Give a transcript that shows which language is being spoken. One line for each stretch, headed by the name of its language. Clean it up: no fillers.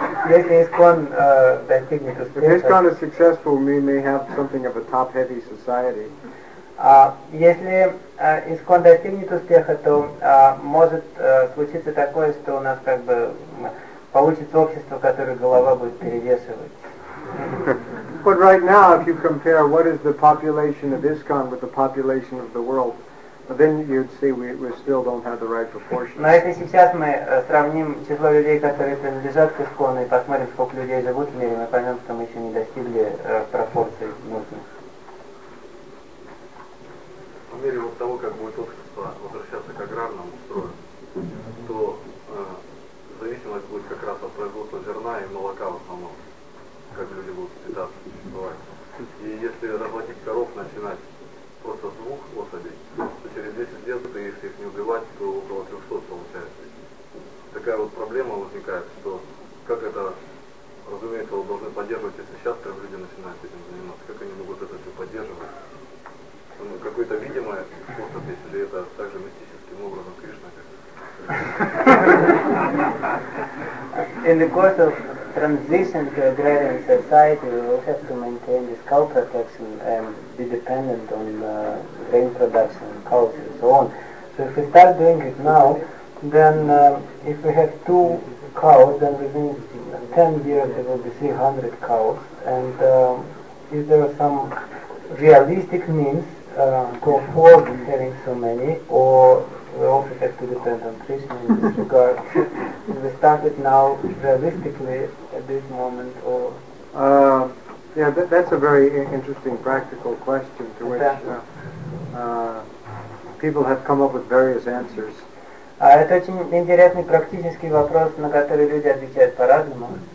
Russian: Если ИСККОН достигнет успеха...
English: If this kind of successful, we may have something of a top-heavy society.
Russian: Если ИСККОН достигнет успеха, то может случиться такое, что у нас как бы получится общество, которое голова будет перевешивать.
English: But right now, if you compare what is the population of ISKCON with the population of the world, then you'd see we still don't have the right proportions.
Russian: Но если сейчас мы сравним число людей, которые принадлежат к ИСККОНу, и посмотрим, сколько людей живут в мире, мы поймем, что мы еще не достигли пропорций нужных. По мере вот того, как будет общество возвращаться к аграрному строю, то зависимость будет как раз от производства зерна и молока в основном, как люди будут питаться, существовать. И если разводить коров, начинать просто с двух особей, то через 10 лет, то если их не убивать, то около 300 получается. Такая вот проблема возникает, что как это, разумеется, вы должны поддерживать, если сейчас как люди начинают этим заниматься, как они могут это все поддерживать? Какой-то видимый способ, если это также мистическим образом Кришна.
English: In the course of transition to agrarian society, we will have to maintain this cow protection and be dependent on grain production, cows and so on. So if we start doing it now, then if we have two cows, then within 10 years there will be 300 cows. And if there are some realistic means to afford having so many, or we also have to depend on Krishna in this regard. Should we start it now realistically at this moment, or? That's a very interesting practical question to which people have come up with various answers.
Russian: Это очень интересный практический вопрос, на который люди отвечают по-разному.